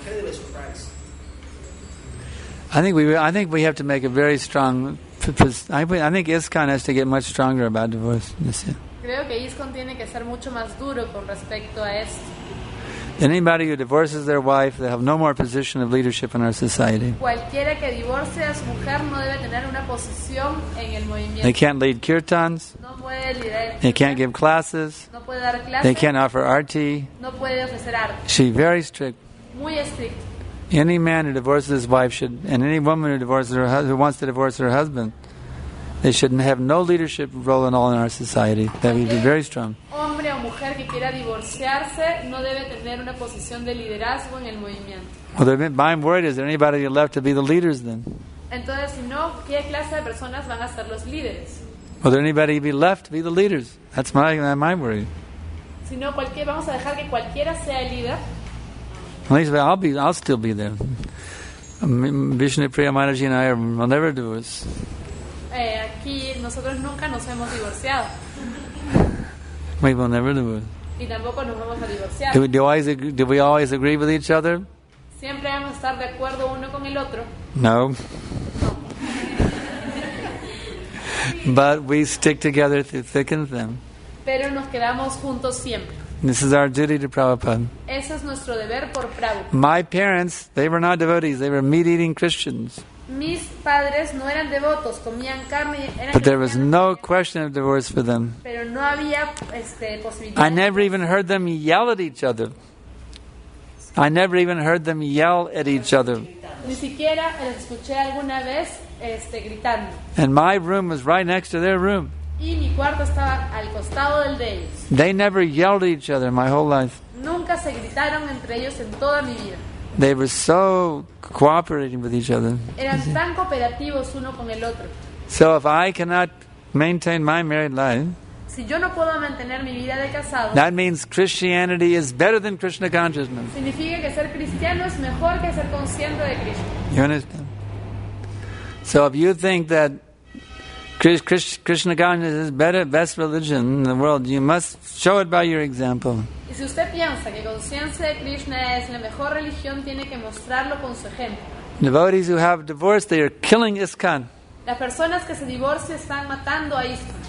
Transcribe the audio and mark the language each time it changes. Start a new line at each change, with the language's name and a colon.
English: 70 0 The present day, the historical rate of Gunagrahi Goswami is an incredible surprise. I think we have to make a very strong. I think ISKCON has to get much stronger about divorce.
Spanish: Creo que ISKCON tiene que ser mucho más duro con respecto a esto.
English: Anybody who divorces their wife, they have no more position of leadership in our society.
Spanish: Cualquiera que divorcie a su mujer no debe tener una posición en el movimiento.
English: They can't lead kirtans.
Spanish: No puede liderar.
English: They can't give classes.
Spanish: No puede dar clases.
English: They can't offer arti.
Spanish: No puede ofrecer arti.
English: She's very strict.
Spanish: Muy estricta.
English: Any man who divorces his wife should, and any woman who wants to divorce her husband, they shouldn't have no leadership role at all in our society. That would be very strong.
Spanish: Hombre o mujer que quiera divorciarse no debe tener una posición de liderazgo en el movimiento.
English: Well, my worry is there anybody left to be the leaders then?
Spanish: Entonces, si no, ¿qué clase de personas van a ser los líderes?
English: Will there anybody be left to be the leaders? That's my worry.
Spanish: Si no, cualquier vamos a dejar que cualquiera sea el líder.
English: At least I'll still be there. Vishnu Priya Maharaji and I will never divorce.
Spanish: Aquí nosotros nunca nos hemos divorciado.
English: We will never divorce.
Spanish: y tampoco nos vamos a divorciar.
English: Do we always agree with each other?
Spanish: Siempre vamos a estar de acuerdo uno con el otro.
English: No. But we stick together through thick and thin.
Spanish: Pero nos quedamos juntos siempre.
English: This is our duty to Prabhupada.
Spanish: Ese es nuestro deber por Prabhupada.
English: My parents, they were not devotees, they were meat-eating Christians.
Spanish: Mis padres no eran devotos, comían carne, eran
English: But there was no question of divorce for them.
Spanish: Pero no había, posibilidad.
English: I never even heard them yell at each other. I never even heard them yell at each other.
Spanish: Ni siquiera los escuché alguna vez, gritando.
English: And my room was right next to their room.
Spanish: Y mi cuarto estaba al costado del de ellos.
English: They never yelled at each other my whole life.
Spanish: Nunca se gritaron entre ellos en toda mi vida.
English: They were so cooperating with each other.
Spanish: Eran tan cooperativos uno con el otro.
English: So if I cannot maintain my married life,
Spanish: si yo no puedo mantener mi vida de casado,
English: that means Christianity is better than Krishna consciousness.
Spanish: Significa que ser cristiano es mejor que ser consciente de Krishna.
English: You understand? So if you think that Krishna consciousness is better, best religion in the world, you must show it by your example.
Spanish: Y si usted piensa que conciencia de Krishna es la mejor religión, tiene que mostrarlo con su ejemplo.
English: Devotees who have divorced, they are killing ISKCON.
Spanish: Las personas que se divorcian están matando a ISKCON.